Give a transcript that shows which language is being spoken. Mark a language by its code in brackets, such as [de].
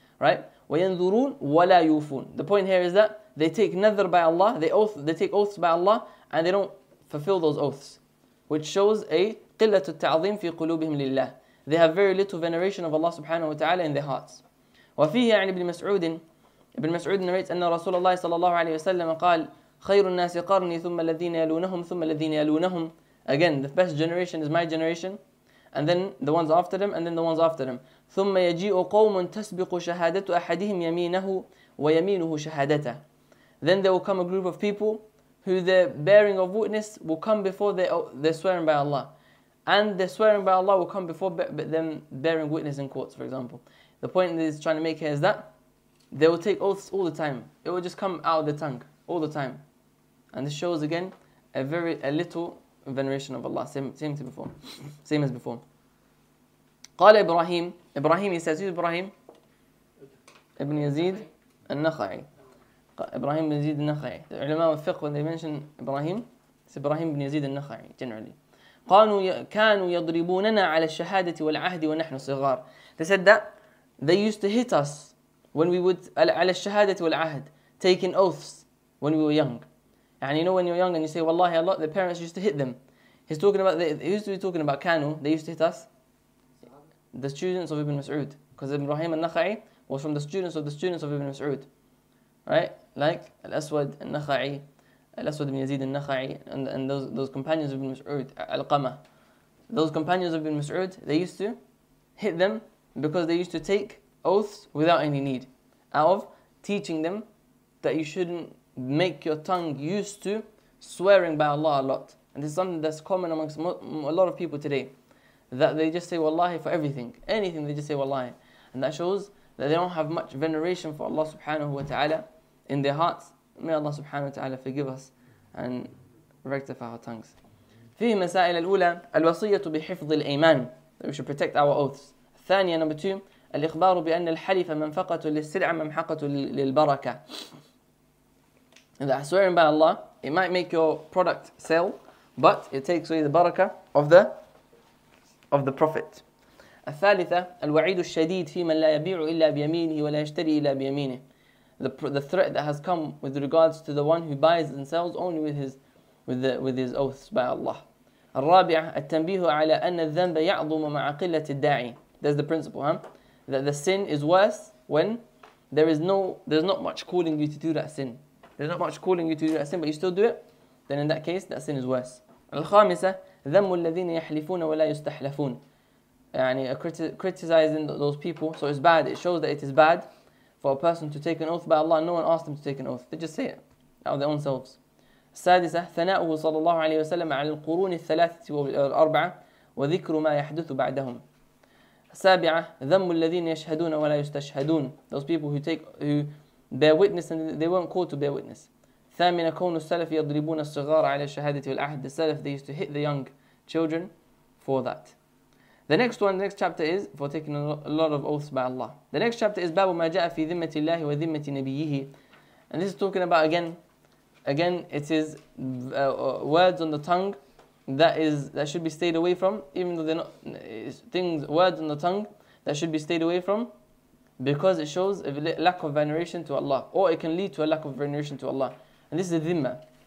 [en] Right? [ar] وَيَنْذُرُونَ وَلَا يُوفُونَ. [en] The point here is that they take nadhr by Allah. They take oaths by Allah. And they don't fulfill those oaths. Which shows a [ar] قِلَّةُ التَّعْظِيمِ فِي قُلُوبِهِمْ لِلَّهِ. [en] They have very little veneration of Allah subhanahu wa ta'ala in their hearts. [ar] وَفِيهِ عَنِ ابْنِ مَسْعُودٍ. [en] Ibn Mas'ud narrates [ar] أن رسول الله صلى الله عليه وسلم قال خير الناس قرني ثم الذين يلونهم ثم الذين يلونهم. [en] Again, the best generation is my generation, and then the ones after them, and then the ones after them. [ar] ثم يجيء قوم تسبق شهادة أحدهم يمينه ويمينه شهادته. [en] Then there will come a group of people who the bearing of witness will come before they're swearing by Allah, and the swearing by Allah will come before them bearing witness in courts, for example. The point that he's trying to make here is that they will take oaths all the time. It will just come out of the tongue all the time. And this shows again a little veneration of Allah. Same as before. Qala Ibrahim. Ibrahim, he says, who's Ibrahim? Ibn Yazid al-Nakhai. Ibrahim ibn Yazid al-Nakhai. The ulama of fiqh, when they mention Ibrahim, it's Ibrahim ibn Yazid al-Nakhai, generally. [ar] كانوا يضربوننا على الشهادة والعهد ونحن صغار. [en] They said that they used to hit us when we would [ar] على الشهادة والعهد, [en] taking oaths when we were young. And you know, when you're young and you say wallahi a lot, the parents used to hit them. He's talking about كانوا, they used to hit us, the students of Ibn Mas'ud, because Ibrahim al-Nakhai was from the students of Ibn Mas'ud, right? Like Al-Aswad al-Nakhai, Al-Aswad ibn Yazid al-Nakhai, and those companions of Ibn Mas'ud, Al-Qama. Those companions of Ibn Mas'ud, they used to hit them because they used to take oaths without any need, out of teaching them that you shouldn't make your tongue used to swearing by Allah a lot. And this is something that's common amongst a lot of people today, that they just say wallahi for everything. Anything, they just say wallahi. And that shows that they don't have much veneration for Allah subhanahu wa ta'ala in their hearts. May Allah subhanahu wa ta'ala forgive us and rectify our tongues. [ar] فيه مسائل الأولى الوصية بحفظ الإيمان. [en] That we should protect our oaths. [ar] الثانية, [en] number two, [ar] الإخبار بأن الحلف منفقة للسرعة ممحقة للبركة. [en] That swearing by Allah, it might make your product sell, but it takes away the barakah of the Prophet. [ar] الثالثة الوعيد الشديد في من لا يبيع إلا بيمينه ولا يشتري إلا بيمينه. [en] The threat that has come with regards to the one who buys and sells only with his oaths by Allah. [ar] الرابعة التنبيه على أن الذنب يعظم مع قلة الداعي. [en] That's the principle, huh? That the sin is worse when there's not much calling you to do that sin. There's not much calling you to do that sin, but you still do it. Then in that case, that sin is worse. [ar] الخامسة ذم الذين يحلفون ولا يستحلفون. [en] يعني criticizing those people, so it's bad. It shows that it is bad for a person to take an oath by Allah. No one asked them to take an oath. They just say it out of their own selves. [ar] السادسة ثناؤه صلى الله عليه وسلم على القرون الثلاثة والأربعة وذكر ما يحدث بعدهم. السابعة ذم الذين يشهدون ولا يستشهدون. [en] Those people who bear witness and they weren't called to bear witness. [ar] ثامنة كون السلف يضربون الصغار على الشهادة والعهد. [en] The Salaf, they used to hit the young children for that. The next one, the next chapter is for taking a lot of oaths by Allah. The next chapter is [ar] باب ما جاء في ذمة الله وذمة نبيه. [en] And this is talking about again, it is words on the tongue that should be stayed away from, even though they're not things, words on the tongue that should be stayed away from, because it shows a lack of veneration to Allah, or it can lead to a lack of veneration to Allah. And this is dhimma.